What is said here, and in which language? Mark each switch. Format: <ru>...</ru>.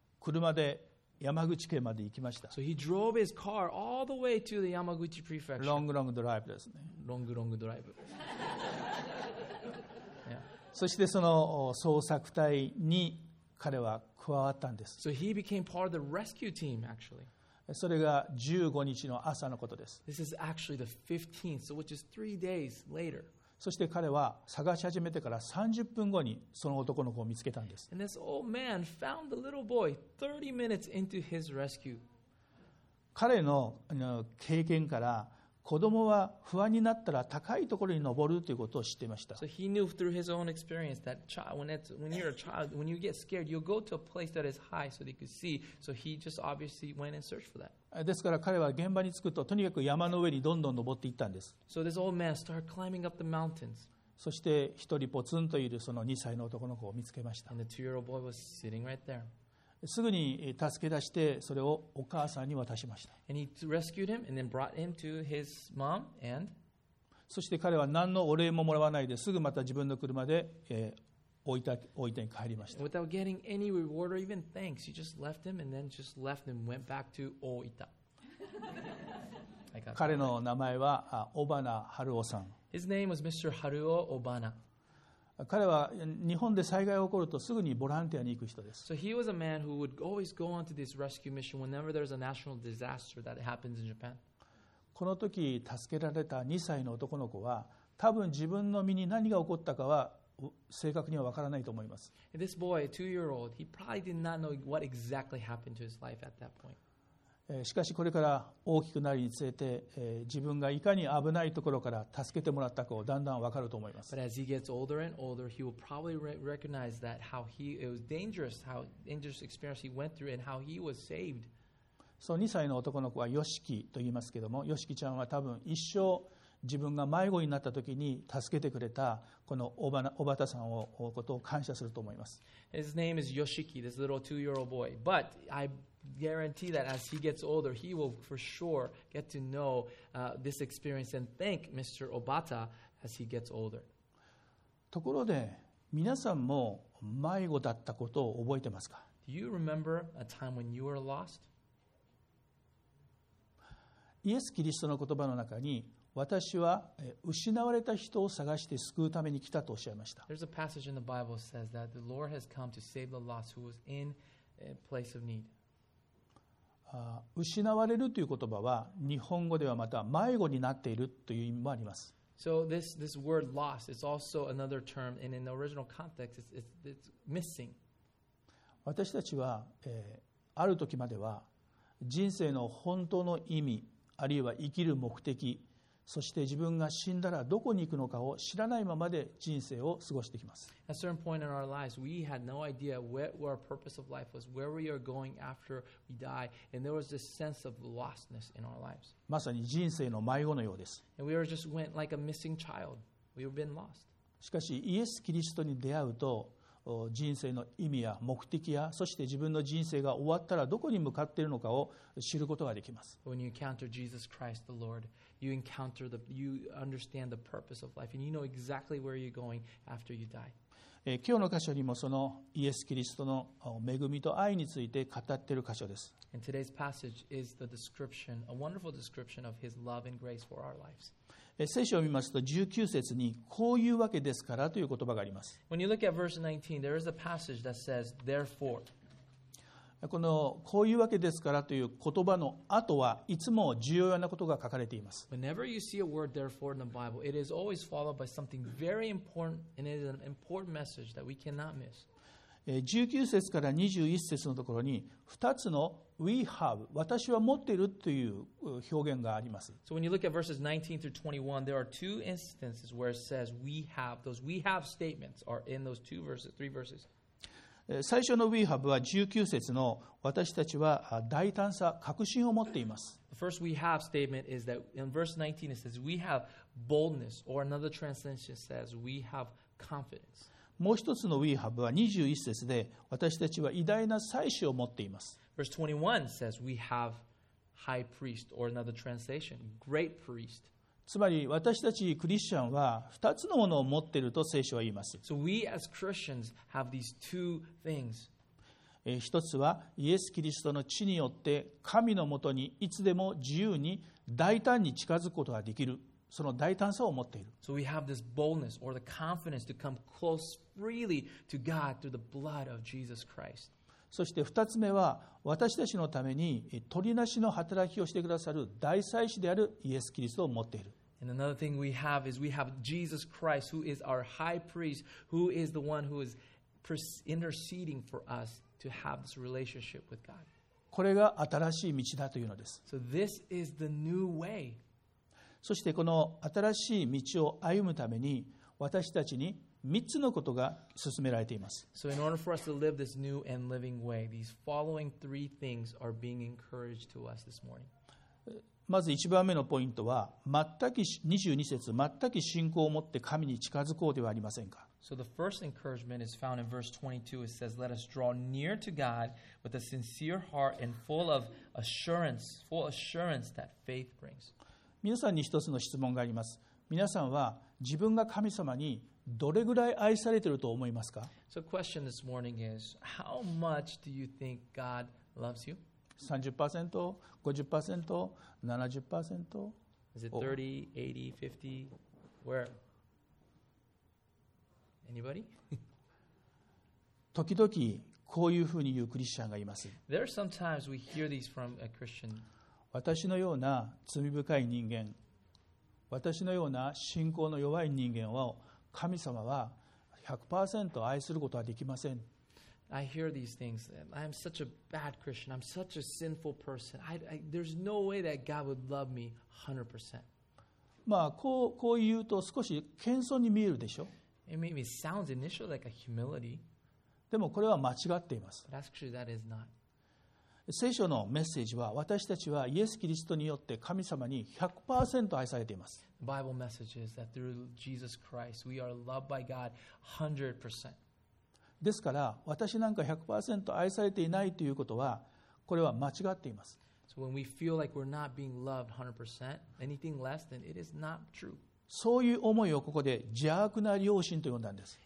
<ja>車で山口県まで行きました。</ja> <en>So he drove his car all the way to the Yamaguchi prefecture. Long, long drive</en> <ja>ですね。</ja> <en>Long, long drive. Yeah.</en> <ja>そしてその捜索隊に彼は加わったんです。</ja> <en>So he became part of the rescue team, actually.</en> <ja>それが15日の朝のことです。</ja> <en>This is actually the 15th, so which is 3 days later.</en> <ja>そして彼は探し始めてから30分後にその男の子を見つけたんです。</ja> <en>And this old man found the little boy 30 minutes into his rescue.</en> <ja>彼の経験から子供は不安になったら高いところに登るということを知っていました。</ja> <en>So he knew through his own experience that child, when you're a child, when you get scared, you'll go to a place that is high so they could see. So he just obviously went and searched for that.</en> <ja>ですから彼は現場に着くととにかく山の上にどんどん登っていったんです。</ja> <en>So this old man started climbing up the mountains.</en> <ja>そして一人ポツンといるその2歳の男の子を見つけました。</ja> <en>And the two-year-old boy was sitting right there.</en> <ja>すぐに助け出してそれをお母さんに渡しました。</ja> <en>And he rescued him and then brought him to his mom and</en> <ja>そして彼は何のお礼ももらわないですぐまた自分の車で大分に帰りました。</ja> <en>Without getting any reward or even thanks, he just left him and then just left him went back to 大分。</en> <ja>彼の名前は尾花春夫さん。</ja> <en>His name was Mr. Haruo Obana.</en> <ja>彼は日本で災害が起こるとすぐにボランティアに行く人です。</ja> <en>So he was a man who would always go on to this rescue mission whenever there's a national disaster that happens in Japan.</en> <ja>この時助けられた2歳の男の子は多分自分の身に何が起こったかは正確にはわからないと思います。</ja> <en>This boy, a two-year-old, he probably did not know what exactly happened to his life at that point.</en> <ja>しかしこれから大きくなりにつれて、自分がいかに危ないところから助けてもらったかをだんだん分かると思います。</ja> <en>But as he gets older and older, he will probably recognize that how he it was dangerous, how dangerous experience he went through, and how he was saved.</en> <ja>そう、2歳の男の子はヨシキと言いますけども、ヨシキちゃんは多分一生自分が迷子になった時に助けてくれたこの小畑さんをことを感謝すると思います。</ja> <en>His name is Yoshiki, this little two-year-old boy. But I guarantee that as he gets older, he will for sure get to know this experience and thank Mr. Obata as he gets older.</en> <ja>ところで、皆さんも迷子だったことを覚えてますか?</ja> <en>Do you remember a time when you were lost?</en> <ja>イエス・キリストの言葉の中に、私は失われた人を探して救うために来たとおっしゃいました。</ja> <en>There's a passage in the Bible that says that the Lord has come to save the lost who was in a place of need.</en> <ja>失われるという言葉は日本語ではまた迷子になっているという意味もあります。</ja> <en>So this word lost is also another term, and in the original context, it's missing.</en> <ja>私たちは、ある時までは人生の本当の意味あるいは生きる目的、そして自分が死んだらどこに行くのかを知らないままで人生を過ごしてきます。</ja> <en>At a certain point in our lives, we had no idea what our purpose of life was, where we are going after we die, and there was this sense of lostness in our lives.</en> <ja>まさに人生の迷子のようです。</ja> <en>And we were just went like a missing child. We were been lost.</en> <ja>しかし、イエス・キリストに出会うと、人生の意味や目的や、そして自分の人生が終わったらどこに向かっているのかを知ることができます。</ja> <en>When you encounter Jesus Christ, the Lord, you encounter the, you understand the purpose of life, and you know exactly where you're going after you die.</en> <ja>今日の箇所にもそのイエス・キリストの恵みと愛について語っている箇所です。</ja> <en>And today's passage is the description, a wonderful description of His love and grace for our lives.</en> <ja>聖書を見ますと19節にこういうわけですからという言葉があります。</ja> <en>When you look at verse 19, there is a passage that says, therefore.</en> <ja>このこういうわけですからという言葉の後はいつも重要なことが書かれています。</ja> <en>Whenever you see a word therefore in the Bible, it is always followed by something very important, and it is an important message that we cannot miss.</en> <ja>19節から21節のところに2つの</ja> <en>We have</en> <ja>私は持っているという表現があります。</ja> <en>So when you look at verses 19 through 21, there are two instances where it says we have. Those we have statements are in those two verses, three verses.</en> <ja>最初の</ja> <en>we have</en> <ja>は19節の私たちは大胆さ、確信を持っています。</ja> <en>The first we have statement is that in verse 19 it says we have boldness, or another translation says we have confidence.</en> <ja>もう一つの</ja> <en>We Have</en> <ja>は21節で私たちは偉大な祭司を持っています。</ja> <en>Verse 21 says we have high priest or another translation, great priest.</en> <ja>つまり私たちクリスチャンは2つのものを持っていると聖書は言います。</ja> <en>So we as Christians have these two things.</en> <ja>一つはイエス・キリストの血によって神のもとにいつでも自由に大胆に近づくことができる。その大胆さを持っている。</ja> <en>So we have this boldness or the confidence to come close freely to God through the blood of Jesus Christ.</en> <ja>そして二つ目は私たちのために取りなしの働きをしてくださる大祭司であるイエス・キリストを持っている。</ja> <en>And another thing we have is we have Jesus Christ who is our high priest who is the one who is interceding for us to have this relationship with God.</en> <ja>これが新しい道だというのです。</ja> <en>So this is the new way.</en> <ja>そしてこの新しい道を歩むために私たちに3つのことが進められています。</ja> <en>So in order for us to live this new and living way, these following three things are being encouraged to us this morning.</en> <ja>まず1番目のポイントは全く22節全く信仰を持って神に近づこうではありませんか。</ja> <en>So the first encouragement is found in verse 22. It says, let us draw near to God with a sincere heart and full of assurance, full assurance that faith brings.</en> <ja>皆さんに一つの質問があります。皆さんは自分が神様にどれぐらい愛されていると思いますか？</ja> <en>So question this morning is, how much do you think God loves you?</en> <ja>30%、50%、</ja> <en>70%。 Is it 30, 80, 50? Where? Anybody?</en> <ja>時々こういうふうに言うクリスチャンがいます。</ja> <en>There are sometimes we hear these from a Christian.</en> <ja>私のような罪深い人間、私のような信仰の弱い人間を神様は 100% 愛することはできません。</ja> <en>I hear these things. I'm such a bad Christian. I'm such a sinful person. There's no way that God would love me 100%.</en> <ja>まあこう言うと少し謙遜に見えるでしょ。</ja> <en>It maybe sounds initially like a humility.</en> <ja>でもこれは間違っています。</ja> <en>But actually, that is not.</en> <ja>聖書のメッセージは私たちはイエス・キリストによって神様に 100% 愛されています。</ja> <en>Bible message is that through Jesus Christ we are loved by God 100%.</en> <ja>ですから私なんか 100% 愛されていないということはこれは間違っています。</ja> <en>So when we feel like we're not being loved 100%, anything less than it is not true.</en> <ja>そういう思いをここで邪悪な良心と呼んだんです。</ja>